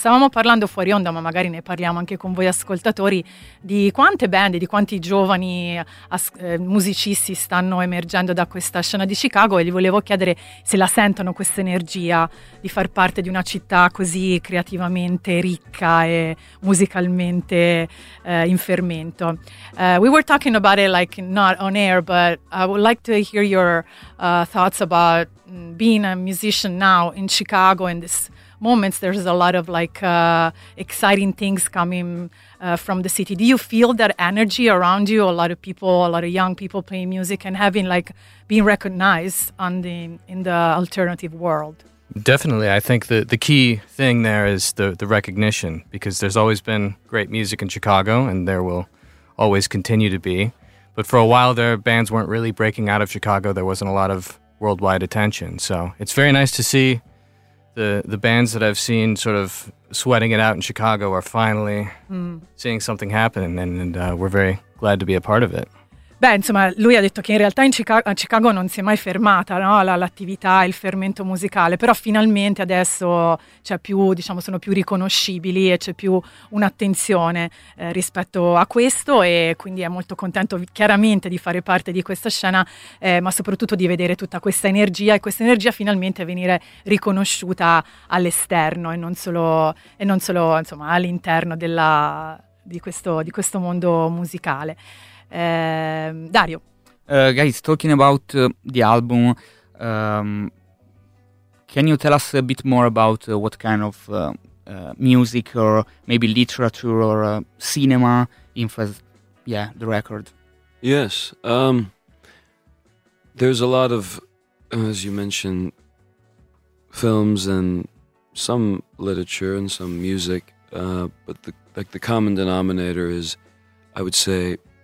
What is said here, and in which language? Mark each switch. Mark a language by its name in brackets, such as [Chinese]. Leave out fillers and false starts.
[Italian] Stavamo parlando fuori onda, ma magari ne parliamo anche con voi ascoltatori, di quante band, di quanti giovani musicisti stanno emergendo da questa scena di Chicago, e gli volevo chiedere se la sentono questa energia di far parte di una città così creativamente ricca e musicalmente in fermento. [English] We were talking about it like not on air, but I would like to hear your thoughts about being a musician now in Chicago. In this moment, there's a lot of like exciting things coming from the city. Do you feel that energy around you? A lot of people, a lot of young people playing music and having like being recognized in the alternative world. Definitely. I think the key thing there is the recognition, because there's always been great music in Chicago, and there will always continue to be. But for a while there, bands weren't really breaking out of Chicago. There wasn't a lot of worldwide attention. So it's very nice to see the bands that I've seen sort of sweating it out in Chicago are finally seeing something happen, and we're very glad to be a part of it. [Italian] Beh, insomma, lui ha detto che in realtà a Chicago non si è mai fermata, no? L'attività, il fermento musicale, però finalmente adesso c'è più, diciamo, sono più riconoscibili e c'è più un'attenzione rispetto a questo, e quindi è molto contento chiaramente di fare parte di questa scena, ma soprattutto di vedere tutta questa energia e questa energia finalmente venire riconosciuta all'esterno e non solo insomma, all'interno di questo mondo musicale. Dario, [English] guys, talking about the album, can you tell us a bit more about what kind of music or maybe literature or cinema influenced the record? Yes, there's a lot of, as you mentioned, films and some literature and some music, but the common denominator is, I would say.